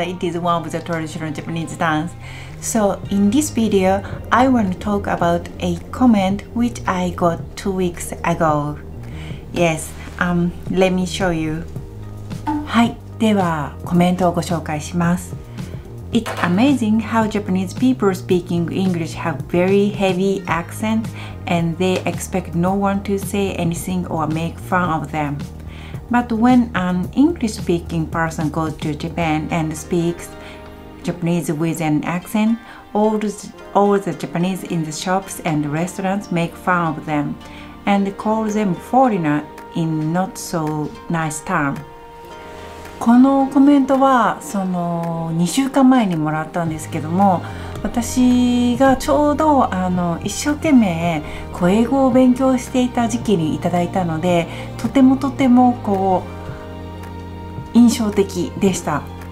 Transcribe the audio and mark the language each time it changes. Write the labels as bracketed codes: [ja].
[en] It is one of the traditional Japanese dance. So in this video, I want to talk about a comment which I got 2 weeks ago. Yes, let me show you. [ja] はい、ではコメントをご紹介します。 [en] It's amazing how Japanese people speaking English have very heavy accent and they expect no one to say anything or make fun of them. But when an English speaking person goes to Japan and speaks Japanese with an accent, all the Japanese in the shops and restaurants make fun of them and call them foreigner in not so nice term. [ja] このコメントはその2週間前にもらったんですけども、私がちょうど一生懸命こう英語を勉強していた時期にいただいたので、とてもとてもこう印象的でした。